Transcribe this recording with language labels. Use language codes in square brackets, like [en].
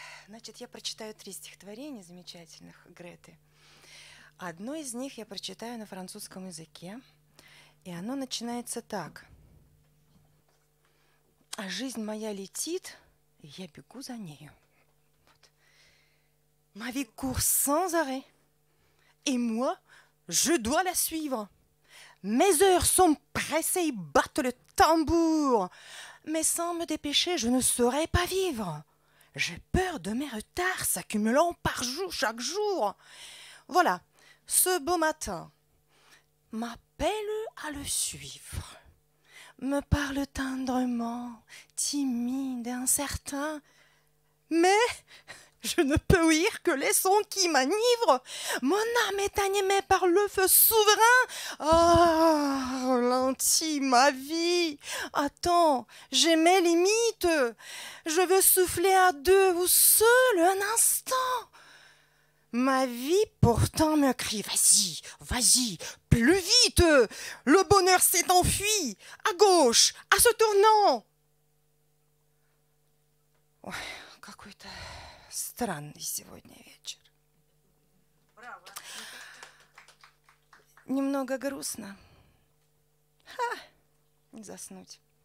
[ru] Значит, я прочитаю три стихотворения замечательных Греты. Одно из них я прочитаю на французском языке. И оно начинается так. А жизнь моя летит, и я бегу за нею. Вот. [fr] Ma vie court sans arrêt, et moi, je dois la suivre. Mes heures sont pressées, et battent le tambour. Mais sans me dépêcher, je ne saurais pas vivre. J'ai peur de mes retards s'accumulant par jour, chaque jour. Voilà, ce beau matin, ma belle à le suivre, me parle tendrement, timide, incertain, mais je ne peux ouïr que les sons qui m'enivrent. Mon âme est animée par le feu souverain. Ah, ralentis ma vie. Attends, j'ai mes limites. Je veux souffler à deux ou seul un instant. Ma vie pourtant me crie, vas-y, vas-y, plus vite. Le bonheur s'est enfui, à gauche, à ce tournant. [ru] Ой, какой-то странный сегодня вечер. Браво. Немного грустно. Ха, не заснуть.